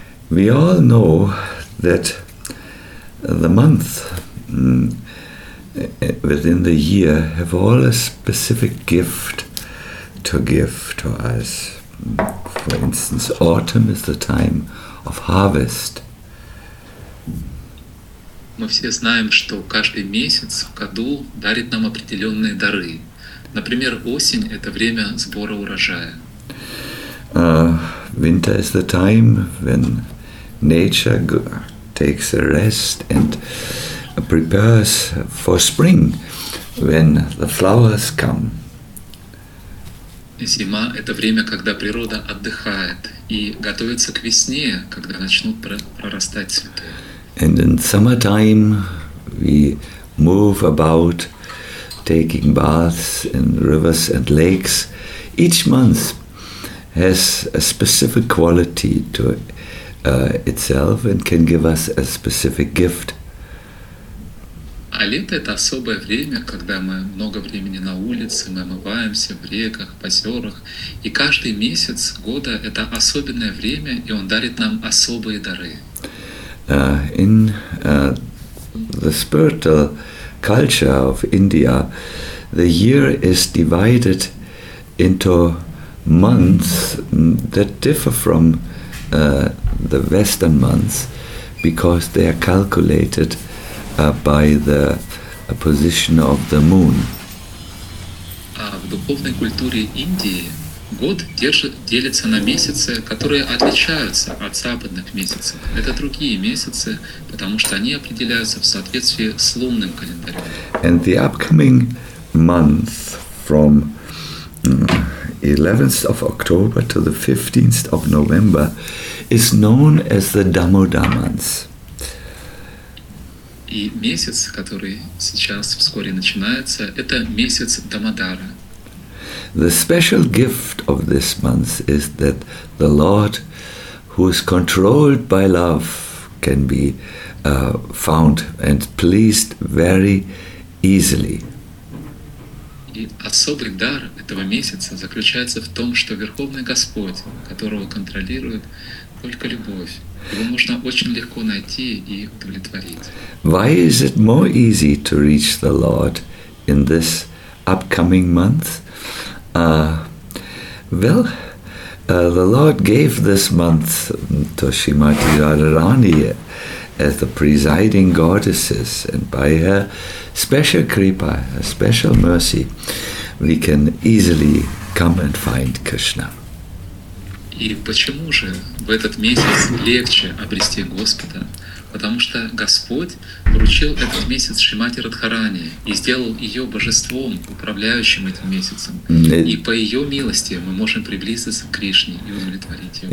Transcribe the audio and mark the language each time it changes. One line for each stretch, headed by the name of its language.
English: We all know that the month within the year have all a specific gift to give to us. For instance, autumn is the time of harvest.
Russian: Мы все знаем, что каждый месяц в году дарит нам определенные дары. Например, осень — это время сбора урожая.
English: Winter is the time when nature takes a rest and prepares for spring, when the flowers come.
Russian: Зима — это время, когда природа отдыхает и готовится к весне, когда начнут прорастать цветы.
English: And in summertime, we move about, taking baths in rivers and lakes. Each month has a specific quality to itself and can give us a specific gift.
Russian: А лето — это особое время, когда мы много времени на улице, мы омываемся в реках, посёрах, и каждый месяц года — это особенное время, и он дарит нам особые дары.
English: In the spiritual culture of India, the year is divided into months that differ from the Western months because they are calculated by the position of the moon.
Russian: В духовной культуре Индии год делится на месяцы, которые отличаются от западных месяцев. Это другие месяцы, потому что они определяются в соответствии с лунным календарем.
English: And the upcoming month from 11th of October to the 15th of November is known as the Damodar month.
Russian: И месяц, который сейчас вскоре начинается, это месяц Дамодара.
English: The special gift of this month is that the Lord, who is controlled by love, can be found and pleased very easily.
Russian: И особый дар этого месяца заключается в том, что Верховный Господь, которого контролирует только любовь, его можно очень легко найти и удовлетворить.
English: Why is it more easy to reach the Lord in this upcoming month? The Lord gave this month to Shrimati Radharani as the presiding goddesses, and by her special kripa, her special mercy, we can easily come and find Krishna.
Russian: И почему же в этот месяц легче обрести Господа? Потому что Господь вручил этот месяц Шримати Радхарани и сделал ее божеством, управляющим этим месяцем. И по ее милости мы можем приблизиться к Кришне и удовлетворить его.